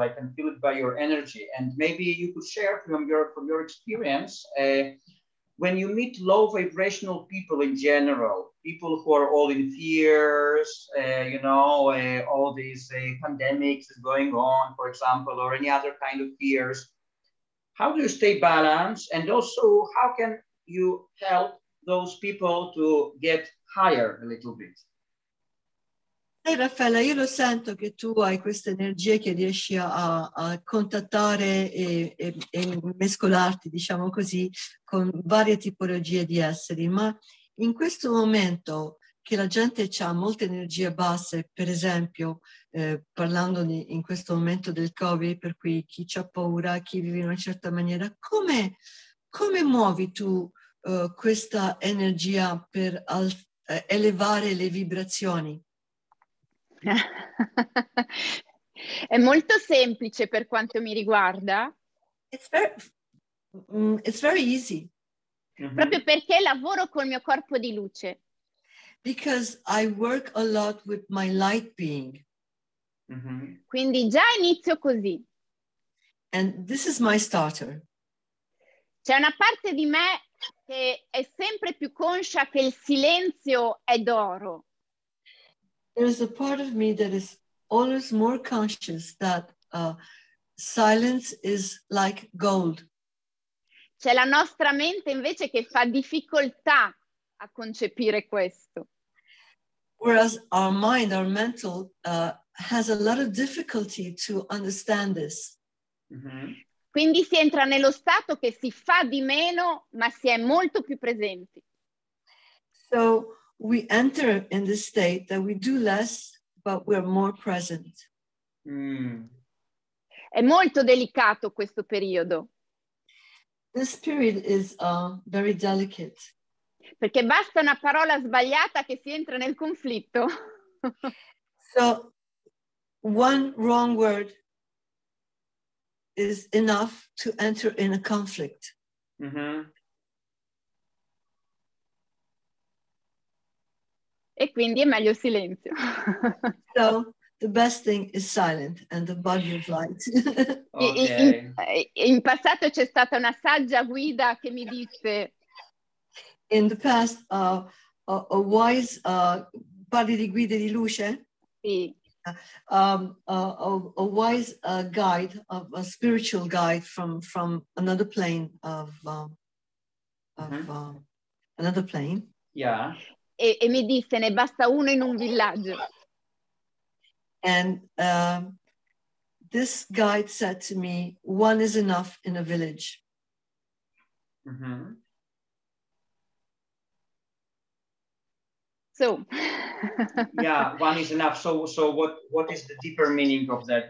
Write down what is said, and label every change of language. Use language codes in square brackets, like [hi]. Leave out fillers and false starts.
[en] I can feel it by your energy. And maybe you could share from your experience, when you meet low vibrational people in general, people who are all in fears, all these pandemics is going on, for example, or any other kind of fears, how do you stay balanced? And also, how can you help those people to get higher a little bit? [it] Hey, Raffaella, io lo sento che tu hai questa energia che riesci a contattare e mescolarti, diciamo così, con varie tipologie di esseri, ma in questo momento che la gente ha molte energie basse, per esempio, parlando in questo momento del Covid, per cui chi c'ha paura, chi vive in una certa maniera, come muovi tu questa energia per elevare le vibrazioni? È molto semplice per quanto mi riguarda. [en] It's very easy. Mm-hmm. [it] Proprio perché lavoro col mio corpo di luce. [en] Because I work a lot with my light being. Mm-hmm. [it] Quindi già inizio così. [en] And this is my starter. [it] C'è una parte di me che è sempre più conscia che il silenzio è d'oro. [en] There is a part of me that is always more conscious that silence is like gold. [it] C'è la nostra mente invece che fa difficoltà a concepire questo. [en] Whereas our mind, our mental, has a lot of difficulty to understand this. Mm-hmm. [it] Quindi si entra nello stato che si fa di meno, ma si è molto più presenti. [en] So we enter in this state that we do less, but we're more present. Mm. [it] È molto delicato questo periodo. [en] This period is very delicate. [it] Perché basta una parola sbagliata che si entra nel conflitto. [en] So, one wrong word is enough to enter in a conflict. Mm-hmm. [it] E quindi è meglio silenzio. [en] So, the best thing is silent and the body of light. Okay. [it] In passato c'è stata una saggia guida che mi disse. [en] In the past, a wise [it] parli di guide di luce. Sì. [en] A wise guide, a spiritual guide from another plane another plane. Yeah. E mi disse ne basta uno in un villaggio. And this guide said to me, one is enough in a village. Mm-hmm. So. Yeah, one is enough. So what is the deeper meaning of that?